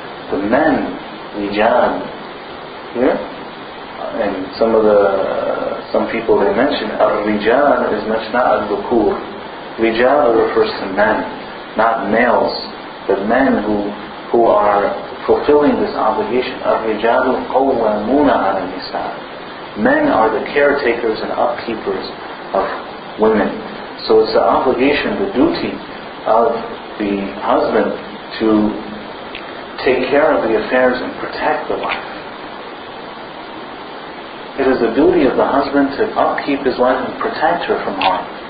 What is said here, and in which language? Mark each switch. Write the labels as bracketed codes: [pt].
[en] The men, رجال, here, and some people they mention, الرجال is [ar] مشنأ الذكور. [en] رجال refers to men, not males, but men who are fulfilling this obligation. [ar] الرجال قوامون على النساء. [en] Men are the caretakers and upkeepers of women. So it's the obligation, the duty of the husband to take care of the affairs and protect the wife. it is the duty of the husband to upkeep his wife and protect her from harm.